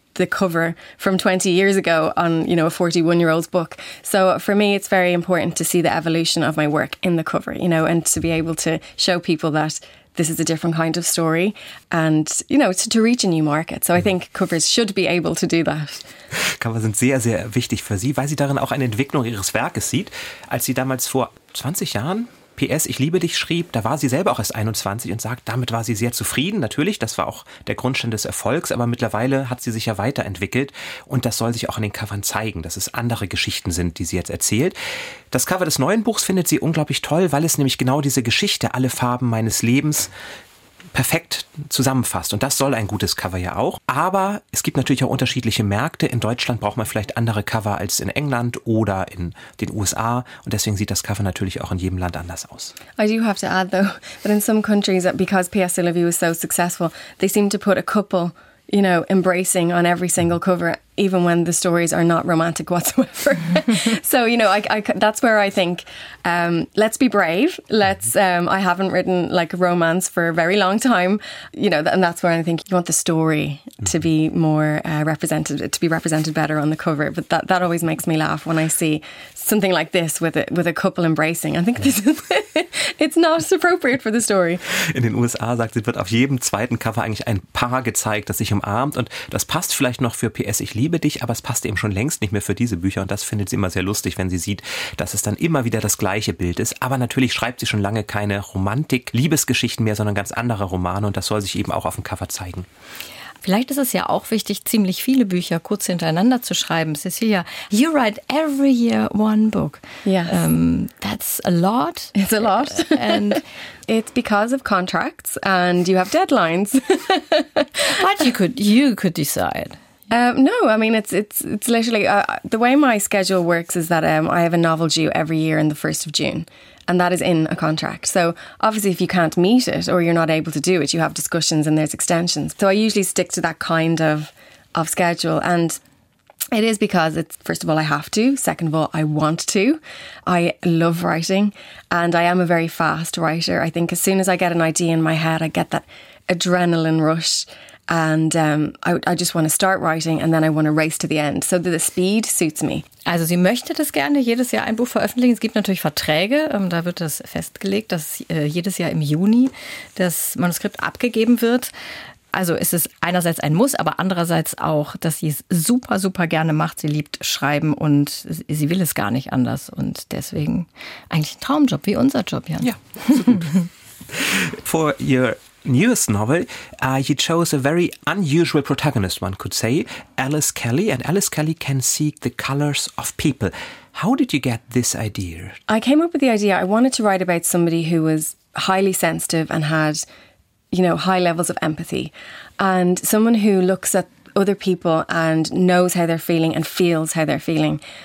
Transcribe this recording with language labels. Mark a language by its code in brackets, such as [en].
[en] the cover from 20 years ago on, you know, a 41-year-old's book. So for me, it's very important to see the evolution of my work in the cover, you know, and to be able to show people that this is a different kind of story and, you know, to reach a new market. So I think covers should be able to do that. [de] Cover sind sehr, sehr wichtig für Sie, weil Sie darin auch eine Entwicklung Ihres Werkes sieht. Als Sie damals vor 20 Jahren PS, ich liebe dich schrieb, da war sie selber auch erst 21 und sagt, damit war sie sehr zufrieden. Natürlich, das war auch der Grundstein des Erfolgs, aber mittlerweile hat sie sich ja weiterentwickelt und das soll sich auch in den Covern zeigen, dass es andere Geschichten sind, die sie jetzt erzählt. Das Cover des neuen Buchs findet sie unglaublich toll, weil es nämlich genau diese Geschichte, alle Farben meines Lebens, perfekt zusammenfasst. Und das soll ein gutes Cover ja auch. Aber es gibt natürlich auch unterschiedliche Märkte. In Deutschland braucht man vielleicht andere Cover als in England oder in den USA. Und deswegen sieht das Cover natürlich auch in jedem Land anders aus. [en] I do have to add though, that in some countries, because P.S. I Love You is so successful, they seem to put a couple, you know, embracing on every single cover, even when the stories are not romantic whatsoever. So, you know, I that's where I think, let's be brave. I haven't written like a romance for a very long time, you know, and that's where I think you want the story to be more represented, to be represented better on the cover. But that always makes me laugh when I see something like this with a couple embracing. I think this is, it's not appropriate for the story. [de] In den USA sagt sie, wird auf jedem zweiten Cover eigentlich ein Paar gezeigt, das sich umarmt. Und das passt vielleicht noch für PS, ich liebe dich, aber es passt eben schon längst nicht mehr für diese Bücher. Und das findet sie immer sehr lustig, wenn sie sieht, dass es dann immer wieder das gleiche Bild ist. Aber natürlich schreibt sie schon lange keine Romantik-Liebesgeschichten mehr, sondern ganz andere Romane. Und das soll sich eben auch auf dem Cover zeigen. Vielleicht ist es ja auch wichtig, ziemlich viele Bücher kurz hintereinander zu schreiben. [en] Cecilia, you write every year one book. Yes. That's a lot. It's a lot. And it's because of contracts and you have deadlines. But you could decide. No, I mean, it's literally, the way my schedule works is that I have a novel due every year on the 1st of June. And that is in a contract. So obviously, if you can't meet it or you're not able to do it, you have discussions and there's extensions. So I usually stick to that kind of schedule. And it is because it's, first of all, I have to. Second of all, I want to. I love writing and I am a very fast writer. I think as soon as I get an idea in my head, I get that adrenaline rush. And I just want to start writing and then I want to race to the end. So the speed suits me. [de] Also sie möchte das gerne, jedes Jahr ein Buch veröffentlichen. Es gibt natürlich Verträge, da wird das festgelegt, dass jedes Jahr im Juni das Manuskript abgegeben wird. Also es ist einerseits ein Muss, aber andererseits auch, dass sie es super, super gerne macht. Sie liebt Schreiben und sie will es gar nicht anders. Und deswegen eigentlich ein Traumjob, wie unser Job, Jan. Ja, so gut. [en] For your newest novel, you chose a very unusual protagonist, one could say, Alice Kelly, and Alice Kelly can see the colors of people. How did you get this idea? I came up with the idea, I wanted to write about somebody who was highly sensitive and had, you know, high levels of empathy, and someone who looks at other people and knows how they're feeling and feels how they're feeling.